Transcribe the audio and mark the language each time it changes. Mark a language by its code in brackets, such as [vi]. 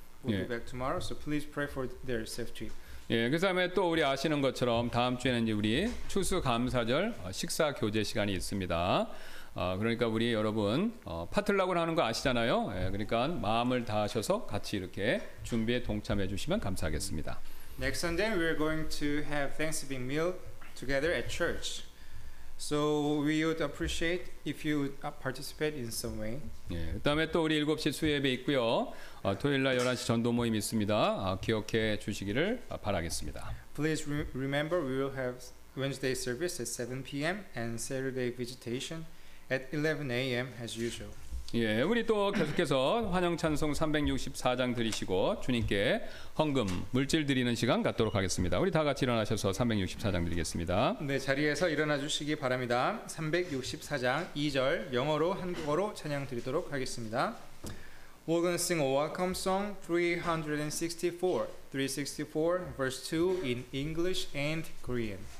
[en] We'll be back tomorrow, so please pray for their safety. [ko] 예, 그다음에 또 우리 아시는 것처럼 다음 주에는 이제 우리 추수감사절 식사 교제 시간이 있습니다. 그러니까 우리 여러분 파틀락을 하는 거 아시잖아요. 예, 그러니까 마음을 다하셔서 같이 이렇게 준비에 동참해 주시면 감사하겠습니다. [en] Next Sunday we're going to have Thanksgiving meal together at church. So we would appreciate if you would participate in some way. [ko] 예, 그다음에 또 우리 7시 수요예배 있고요. 토요일 날 11시 전도 모임 있습니다. 기억해 주시기를 바라겠습니다. [en] Please remember we will have Wednesday service at 7 p.m. and Saturday visitation at 11 a.m. as usual. [ko] 예, 우리 또 계속해서 환영 찬송 364장 드리시고 주님께 헌금 물질 드리는 시간 갖도록 하겠습니다. 우리 다 같이 일어나셔서 364장 드리겠습니다. 네, 자리에서 일어나 주시기 바랍니다. 364장 2절 영어로 한국어로 찬양 드리도록 하겠습니다. [en] We're going to sing a welcome song 364 verse 2 in English and Korean.